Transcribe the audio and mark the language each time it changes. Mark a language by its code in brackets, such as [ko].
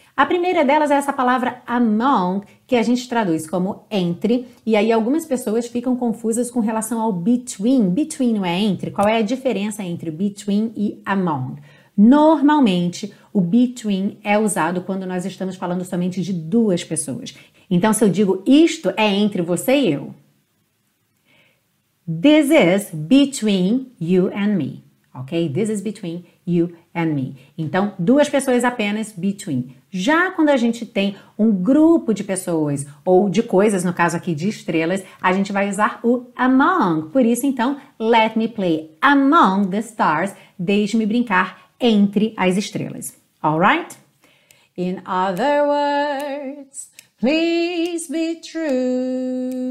[pt] A primeira delas é essa palavra among, que a gente traduz como entre, e aí algumas pessoas ficam confusas com relação ao between. Between não é entre? Qual é a diferença entre between e among? Normalmente, o between é usado quando nós estamos falando somente de duas pessoas. Então, se eu digo isto é entre você e eu. [en] This is between you and me, ok? This is between you and me. [pt] Então, duas pessoas apenas, between. Já quando a gente tem um grupo de pessoas, ou de coisas, no caso aqui de estrelas, a gente vai usar o among. Por isso, então, [en] let me play among the stars, [pt] deixe-me brincar entre as estrelas. [en] All right? In other words, please be true.